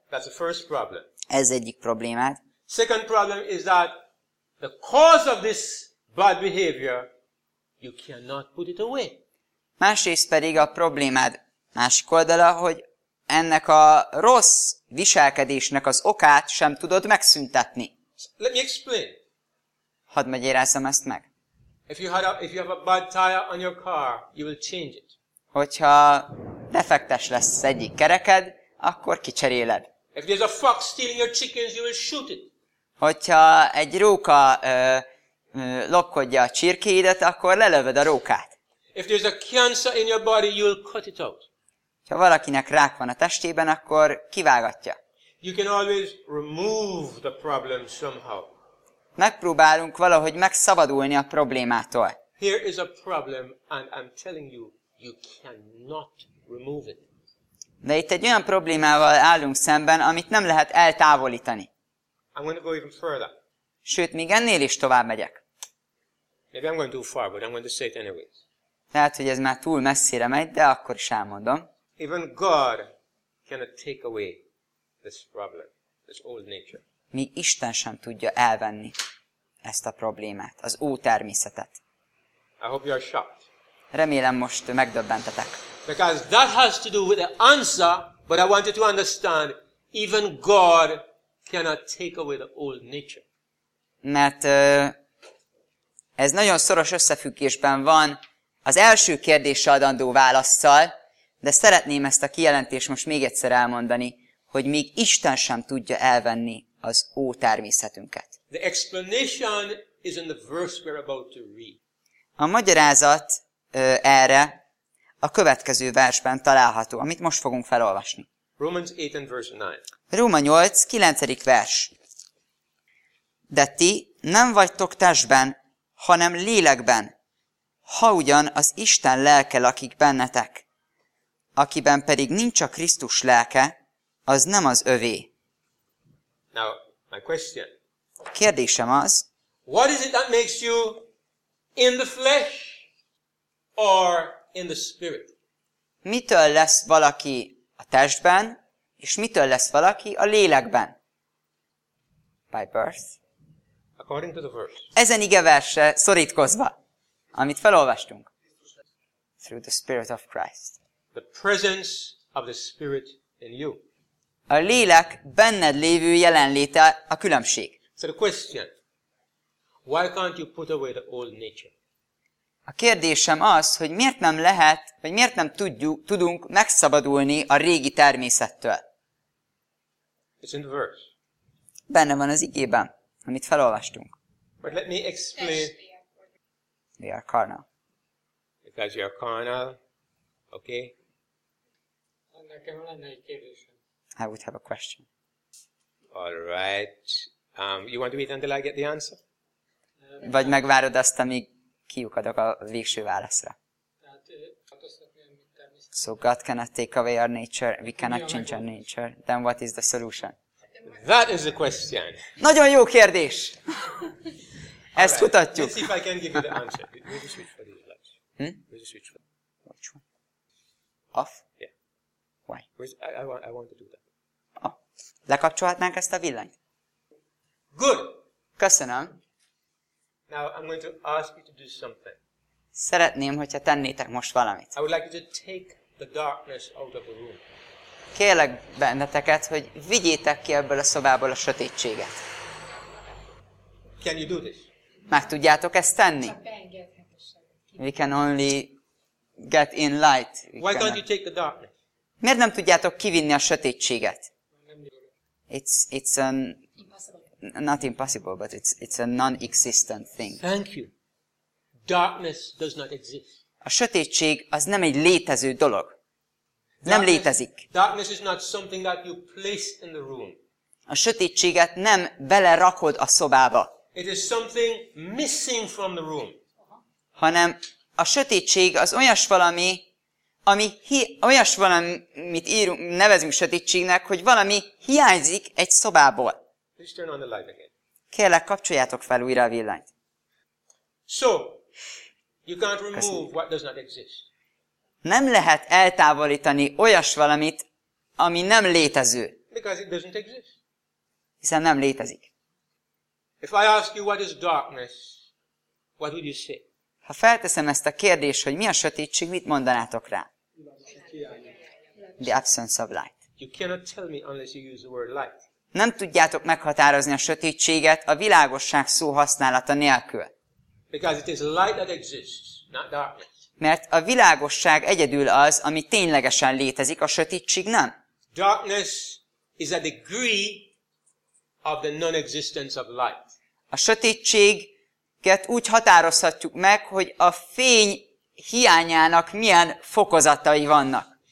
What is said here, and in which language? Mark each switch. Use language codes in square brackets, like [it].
[en] That's the first problem. [hu] Ez egyik problémád. [en] Second problem is that the cause of this bad behavior you cannot put it away. [hu] Másrészt pedig a problémád másik oldala, hogy ennek a rossz viselkedésnek az okát sem tudod megszüntetni. [en] Let me explain. [hu] Hadd magyarázzam ezt meg. [en] If you have a bad tire on your car, you will change it. [hu] Hogyha defektes lesz egyik kereked, akkor kicseréled. [en] If there's a fox stealing your chickens, you will shoot it. [hu] Hogyha egy róka lopkodja a csirkéidet, akkor lelövöd a rókát. [en] If there's a cancer in your body, you will cut it out. [hu] Ha valakinek rák van a testében, akkor kivágatja. [en] You can always remove the problem somehow. [hu] Megpróbálunk valahogy megszabadulni a problémától. [en] Here is a problem, and I'm telling you, you cannot remove it. [hu] De itt egy olyan problémával állunk szemben, amit nem lehet eltávolítani. [en] I'm going to go even further. [hu] Sőt, még ennél is tovább megyek. [en] Maybe I'm going too far, but I'm going to say it anyways. [hu] Lehet, hogy ez már túl messzire megy, de akkor is elmondom. [en] Even God cannot take away this problem, this old nature. [hu] Mi Isten sem tudja elvenni ezt a problémát, az ó természetet. [en] I hope you are shocked. [hu] Remélem most megdöbbentetek. [en] Because that has to do with the answer, but I want you to understand, even God cannot take away the old nature. [hu] Mert ez nagyon szoros összefüggésben van az első kérdésre adandó válasszal, de szeretném ezt a kijelentést most még egyszer elmondani, hogy még Isten sem tudja elvenni az ó természetünket. [en] The explanation is in the verse we're about to read. [hu] A magyarázat erre a következő versben található, amit most fogunk felolvasni. [en] Romans 8 and verse 9. [hu] Róma 8, 9. vers. De ti nem vagytok testben, hanem lélekben, ha ugyan az Isten lelke lakik bennetek. akiben pedig nincs a Krisztus lelke, az nem az övé. [en] Now, my question. [hu] Kérdésem az. [en] What is it that makes you in the flesh or in the spirit? [hu] Mitől lesz valaki a testben, és mitől lesz valaki a lélekben? [en] By birth. According to the verse. [hu] Ezen igeverse szorítkozva, amit felolvastunk. [en] Through the Spirit of Christ. The presence of the Spirit in you. [hu] A lélek benned lévő jelenléte a különbség. [en] So the question. Why can't you put away the old nature? [hu] A kérdésem az, hogy miért nem lehet, vagy miért nem tudunk megszabadulni a régi természettől? [en] It's in the verse. [hu] Benne van az igében, amit felolvastunk. [en] But let me explain. We are carnal. Because you are carnal, okay? [hu] Nekem lenne egy kérdésem. [en] I would have a question. All right. You want to wait until I get the answer? [hu] Vagy megvárod azt, amíg kiukadok a végső válaszra. [en] So God cannot take away our nature, we cannot change our nature. Then what is the solution? That is the question. [hu] Nagyon jó kérdés! Ezt kutatjuk. [en] Let's see if I can give you the answer. Where's the switch for this? Which one? Off? Yeah. Why? I want to do that. Oh. [hu] Lekapcsolhatnánk ezt a villanyt? [en] Good! [hu] Köszönöm. [en] Now I'm going to ask you to do something. [hu] Szeretném, hogyha tennétek most valamit. [en] I would like you to take the darkness out of the room. [hu] Kérlek benneteket, hogy vigyétek ki ebből a szobából a sötétséget. [en] Can you do this? [hu] Meg tudjátok ezt tenni? [en] We can only get in light. Why can't you take the darkness? [hu] Miért nem tudjátok kivinni a sötétséget? [en] It's an not impossible, but it's a non-existent thing. Thank you. Darkness does not exist. [hu] A sötétség az nem egy létező dolog. Darkness, nem létezik. [en] Darkness is not something that you place in the room. [hu] A sötétséget nem belerakod a szobába. [en] It is something missing from the room. [hu] Hanem a sötétség az olyas valami, ami olyas valami, mit írunk, nevezünk sötétségnek, hogy valami hiányzik egy szobából. [en] Please turn on the light again. [hu] Kérlek, kapcsoljátok fel újra a villanyt. [en] So, you can't remove what does not exist. [hu] Nem lehet eltávolítani olyas valamit, ami nem létező. [en] Because it doesn't exist. [hu] Hiszen nem létezik. [en] If I ask you what is darkness, what would you say? [hu] Ha felteszem ezt a kérdést, hogy mi a sötétség, mit mondanátok rá? [en] The absence of light. You cannot tell me unless you use the word light. [hu] Nem tudjátok meghatározni a sötétséget a világosság szó használata nélkül. [en] Because it is light that exists, not darkness. [hu] Mert a világosság egyedül az, ami ténylegesen létezik, a sötétség nem. [en] Darkness is a degree of the non-existence of light. [hu] A sötétséget úgy határozhatjuk meg, hogy a fény hiányának milyen fokozatai vannak.